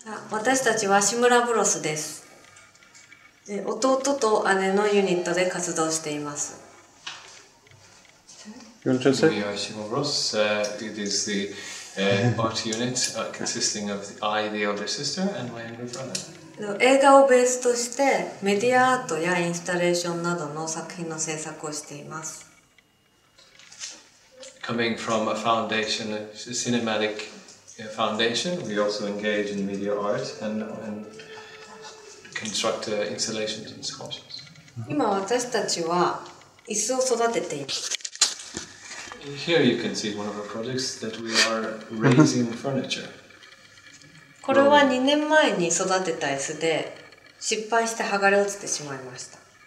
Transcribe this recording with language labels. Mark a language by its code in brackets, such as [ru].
[ja] 私たちはシムラブロスです。弟と姉のユニットで活動しています。 [en] You want to translate? We are shimurabros. It is the art unit consisting of I, the older sister, and my younger brother. [ja] 映画をベースとしてメディアアートやインスタレーションなどの作品の制作をしています。 [en] Coming from a foundation, a cinematic foundation, we also engage in media art and construct installations and sculptures. [ja] 今私たちは椅子を育てています。 [en] Here you can see one of our projects that we are raising furniture. [ja] これは2年前に育てた椅子で失敗して剥がれ落ちてしまいました。